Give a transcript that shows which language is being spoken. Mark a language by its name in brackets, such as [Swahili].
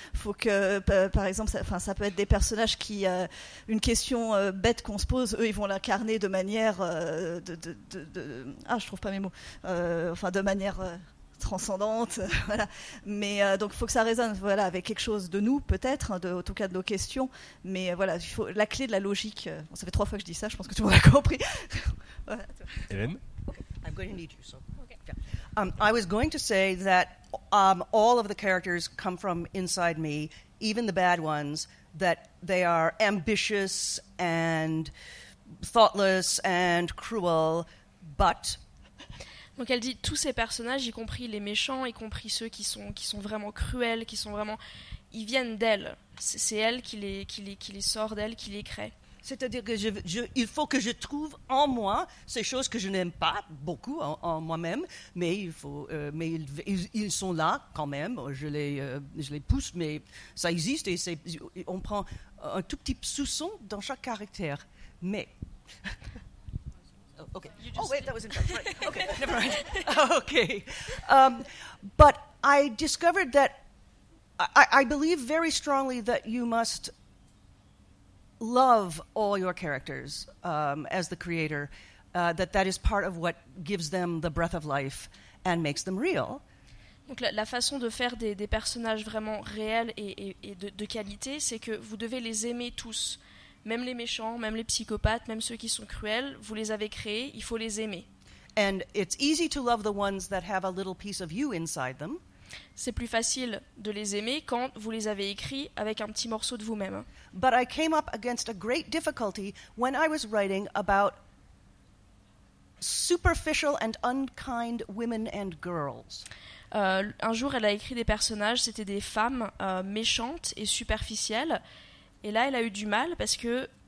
[French] Faut que, par exemple, ça peut être des personnages qui, une question bête qu'on se pose, eux, ils vont l'incarner de manière, je trouve pas mes mots, de manière transcendante, voilà. Mais donc, faut que ça résonne, voilà, avec quelque chose de nous, peut-être, en tout cas de nos questions. Mais voilà, il faut la clé de la logique. Bon, ça fait trois fois que je dis ça, je pense que tout le monde a compris. Hélène. [English] I'm going to need you, so. I was going to say that All of the characters come from inside me, even the bad ones, that they are ambitious and thoughtless and cruel, but... [French] Donc elle dit, tous ces personnages, y compris les méchants, y compris ceux qui sont vraiment cruels, qui sont vraiment... Ils viennent d'elle. C'est elle qui les sort d'elle, qui les crée. C'est-à-dire que il faut que je trouve en moi ces choses que je n'aime pas beaucoup en moi-même, mais ils sont là quand même. Je les pousse, mais ça existe et on prend un tout petit sous-son dans chaque caractère. [English] Mais oh, okay. Oh wait, that was incorrect. Right. Okay, never mind. Okay, but I discovered that I believe very strongly that you must love all your characters as the creator, that is part of what gives them the breath of life and makes them real. [French] Donc la façon de faire des personnages vraiment réels et de qualité, c'est que vous devez les aimer tous, même les méchants, même les psychopathes, même ceux qui sont cruels, vous les avez créés, il faut les aimer. [English] And it's easy to love the ones that have a little piece of you inside them. [French] C'est plus facile de les aimer quand vous les avez écrits avec un petit morceau de vous-même. [English] But I came up against a great difficulty when I was writing about superficial and unkind women and girls. [French] Un jour, elle a écrit des personnages, c'était des femmes méchantes et superficielles. Et là, elle a eu du mal parce que